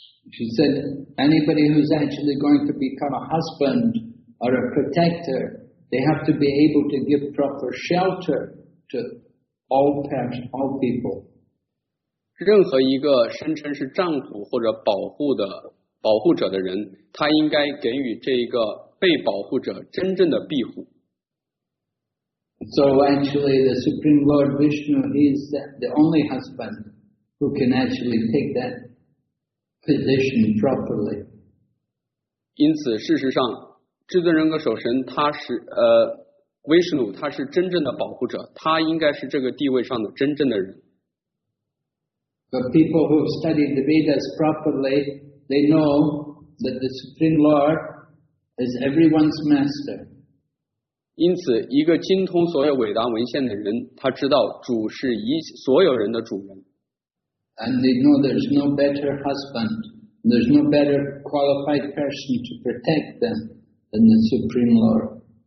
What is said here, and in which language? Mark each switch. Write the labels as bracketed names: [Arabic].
[English] She said, anybody who's actually going to become a husband or a protector, they have to be able to give proper shelter to all people. [Chinese] 任何一个声称是丈夫或者保护者的人, 他应该给予这一个被保护者真正的庇护。 [English] So actually the Supreme Lord Vishnu, he is the only husband who can actually take that position properly. [Chinese] 因此事实上, 至尊人格守神他是, Vishnu, 他是真正的保护者, 他应该是这个地位上的真正的人。 [English] But people who have studied the Vedas properly, they know that the Supreme Lord is everyone's master. [Chinese] 因此一个精通所有伟达文献的人, 他知道主是所有人的主人。 [English] And they know there's no better husband, there's no better qualified person to protect them than the Supreme Lord.